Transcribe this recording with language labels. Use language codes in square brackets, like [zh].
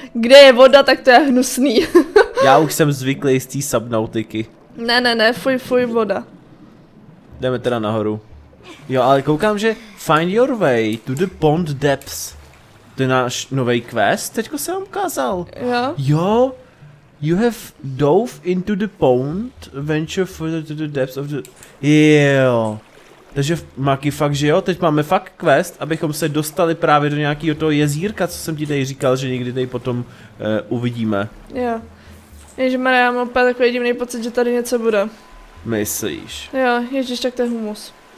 [cs] Kde je voda, tak to je hnusný. Já už jsem zvyklý z té subnautiky. Ne, fuj, fuj, voda. Jdeme teda nahoru. Jo, ale koukám, že [en] find your way to the pond depths. [cs] To je náš novej quest, teďko jsem vám ukázal. Jo. Jo. [en] You have dove into the pond, venture further to the depths of the... [cs] Jo. Takže maky fakt, že jo, teď máme fakt quest, abychom se dostali právě do nějakého toho jezírka, co jsem ti tady říkal, že někdy tady potom uvidíme. Jo. Ježmarja, já mám opět takový divný pocit, že tady něco bude. Myslíš? Jo, ježiš, tak to je humus.